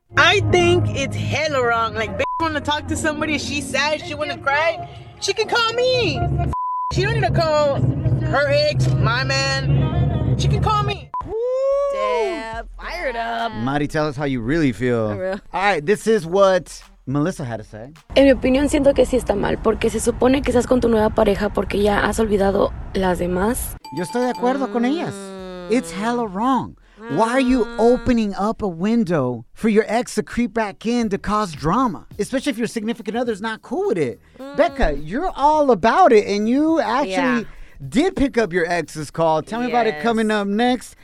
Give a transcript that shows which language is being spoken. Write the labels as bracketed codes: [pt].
[en] I think it's hella wrong. Like, bitch, want to talk to somebody, she's sad, she want to cry, she can call me. She don't need to call her ex, my man. She can call me. Fired up. Mari, tell us how you really feel. All right, this is what Melissa had to say. [es] En mi opinión, siento que sí está mal, porque se supone que estás con tu nueva pareja porque ya has olvidado las demás. Yo estoy de acuerdo con ellas. [en] It's hella wrong. Why are you opening up a window for your ex to creep back in to cause drama? Especially if your significant other's not cool with it. Becca, you're all about it, and you actually... Yeah. Did pick up your ex's call. Tell me about it coming up next.